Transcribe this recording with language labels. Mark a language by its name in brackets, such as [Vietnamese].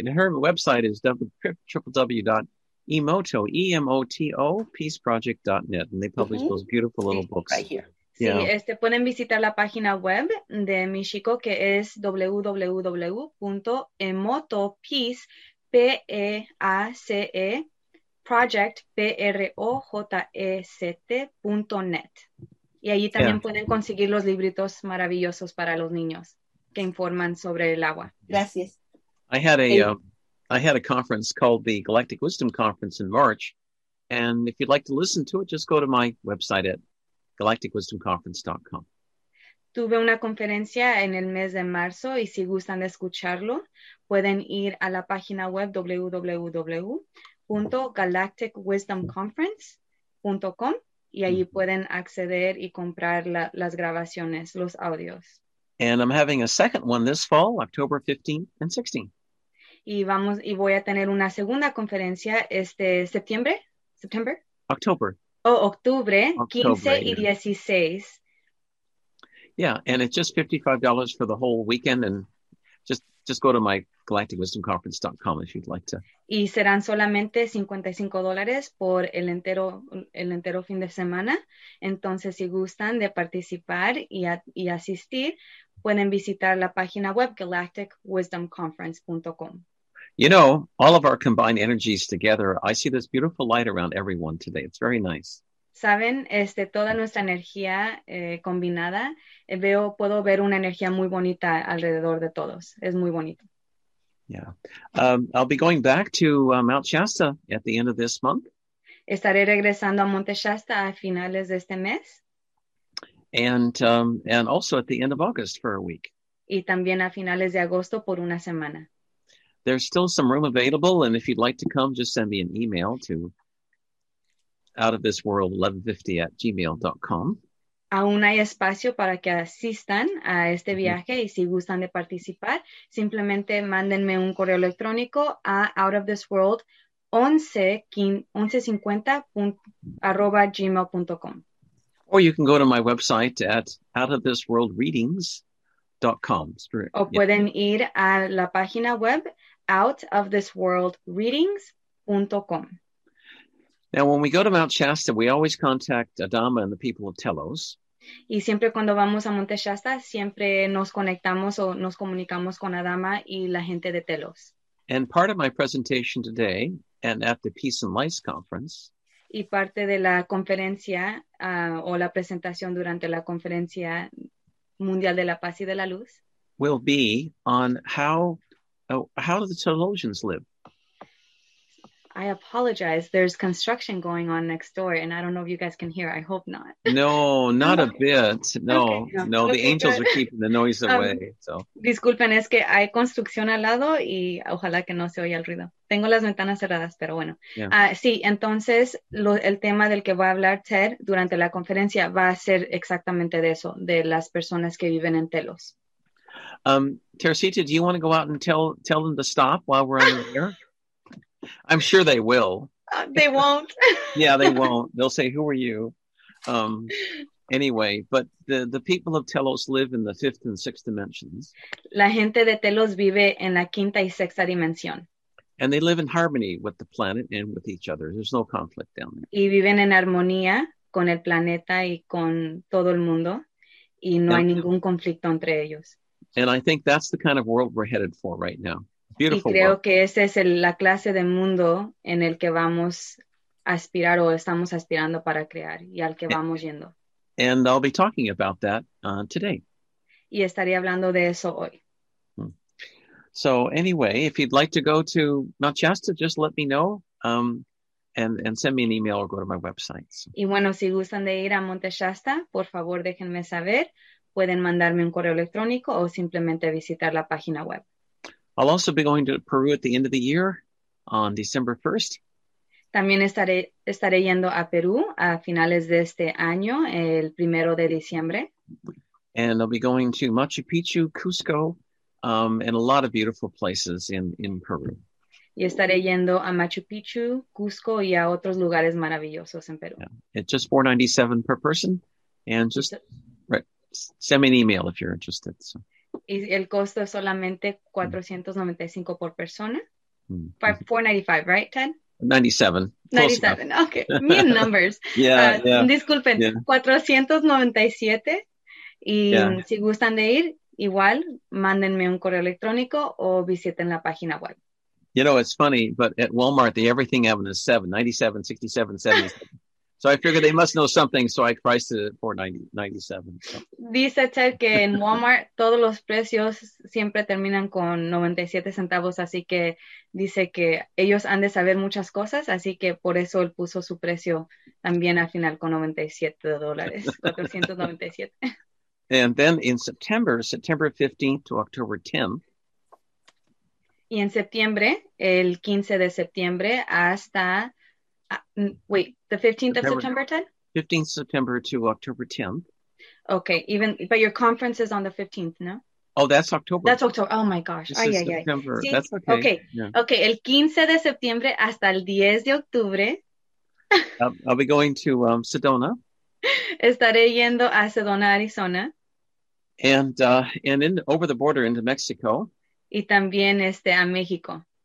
[English] And her website is www.emoto.peaceproject.net. And they publish those beautiful little books. Right here. Yeah. [Spanish] Sí, pueden visitar la página web de Michiko, que es www.emotopeaceproject.net. Y allí también pueden conseguir los libritos maravillosos para los niños que informan sobre el agua. Gracias. [English] I had a conference called the Galactic Wisdom Conference in March. And if you'd like to listen to it, just go to my website at galacticwisdomconference.com. [Spanish] Tuve una conferencia en el mes de marzo y si gustan de escucharlo, pueden ir a la página web www.galacticwisdomconference.com. Y allí pueden acceder y comprar las grabaciones, los audios. [English] And I'm having a second one this fall, October 15th and 16th. [Spanish] Y voy a tener una segunda conferencia septiembre, ¿September? [English] October. [Spanish] Octubre 15 y 16. [English] Yeah, and it's just $55 for the whole weekend and just go to my galacticwisdomconference.com if you'd like to. [Spanish] Y serán solamente $55 por el entero fin de semana. Entonces, si gustan de participar y asistir, pueden visitar la página web galacticwisdomconference.com. [English] You know, all of our combined energies together, I see this beautiful light around everyone today. It's very nice. [Spanish] Saben, toda nuestra energía combinada, puedo ver una energía muy bonita alrededor de todos. Es muy bonito. [English] Yeah. I'll be going back to Mount Shasta at the end of this month. [Spanish] Estaré regresando a Monte Shasta a finales de este mes. [English] And also at the end of August for a week. [Spanish] Y también a finales de agosto por una semana. [English] There's still some room available, and if you'd like to come, just send me an email to outofthisworld1150@gmail.com. [Spanish] Aún hay espacio para que asistan a este viaje, y si gustan de participar, simplemente mándenme un correo electrónico a outofthisworld1150@gmail.com. [English] Or you can go to my website at outofthisworldreadings.com. [Spanish] O pueden ir a la página web outofthisworldreadings.com. [English] Now, when we go to Mount Shasta, we always contact Adama and the people of Telos. [Spanish] Y siempre cuando vamos a Monte Shasta, siempre nos conectamos o nos comunicamos con Adama y la gente de Telos. [English] And part of my presentation today, and at the Peace and Life Conference. [Spanish] Y parte de la conferencia, o la presentación durante la Conferencia Mundial de la Paz y de la Luz. [English] Will be on how do the Telosians live? I apologize. There's construction going on next door, and I don't know if you guys can hear. I hope not. No, not a bit. No, okay, no. The angels are keeping the noise away. So. [Spanish] Disculpen, es que hay construcción al lado y ojalá que no se oye el ruido. Tengo las ventanas cerradas, pero bueno. [English] Yeah. [Spanish] Sí, entonces el tema del que va a hablar Ted durante la conferencia va a ser exactamente de eso, de las personas que viven en Telos. [English] Teresita, do you want to go out and tell them to stop while we're on the air? I'm sure they will. They won't. Yeah, they won't. They'll say, who are you? Anyway, but the people of Telos live in the fifth and sixth dimensions. [Spanish] La gente de Telos vive en la quinta y sexta dimensión. [English] And they live in harmony with the planet and with each other. There's no conflict down there. [Spanish] Y viven en armonía con el planeta y con todo el mundo. Y no hay ningún conflicto entre ellos. [English] And I think that's the kind of world we're headed for right now. Beautiful [Spanish] y creo [English] world. [Spanish] Que esa es la clase de mundo en el que vamos a aspirar o estamos aspirando para crear y al que vamos yendo. [English] And I'll be talking about that today. [Spanish] Y estaré hablando de eso hoy. [English] So anyway, if you'd like to go to Mount Shasta, just let me know and send me an email or go to my website. [Spanish] Y bueno, si gustan de ir a Monte Shasta, por favor déjenme saber. Pueden mandarme un correo electrónico o simplemente visitar la página web. [English] I'll also be going to Peru at the end of the year on December 1st. [Spanish] También estaré yendo a Perú a finales de este año, el primero de diciembre. [English] And I'll be going to Machu Picchu, Cusco, and a lot of beautiful places in Peru. [Spanish] Y estaré yendo a Machu Picchu, Cusco, y a otros lugares maravillosos en Perú. [English] Yeah. It's just $497 per person. And just send me an email if you're interested. So. [Spanish] Y el costo es solamente $495 por persona. [English] $495, right, Ted? $97. $97, okay. Mean numbers. Yeah, yeah. [Spanish] Disculpen, [English] yeah. $497. Y yeah. [Spanish] Si gustan de ir, igual, mándenme un correo electrónico o visiten la página web. [English] You know, it's funny, but at Walmart, the everything heaven is $7, $97, $67, $77. So I figured they must know something, so I priced it at $4.97. [Spanish] Dice Ted que en Walmart todos los precios siempre terminan con 97 centavos, así que dice que ellos han de saber muchas cosas, así que por eso él puso su precio también al final con $97, $497. [English] And then in September, September 15th to October 10th. [Spanish] Y en septiembre, el 15 de septiembre hasta... [English] wait, the 15th of September, Ted? 15th September to October 10th. Okay, but your conference is on the 15th, no? Oh, that's October. That's October. Oh, my gosh. This ay, is ay, September. Ay. That's okay. Okay. Yeah. [Spanish] Okay, el 15 de septiembre hasta el 10 de octubre. [English] I'll be going to Sedona. [Spanish] Estaré yendo a Sedona, Arizona. [English] And over the border into Mexico. [Spanish] Y también a México.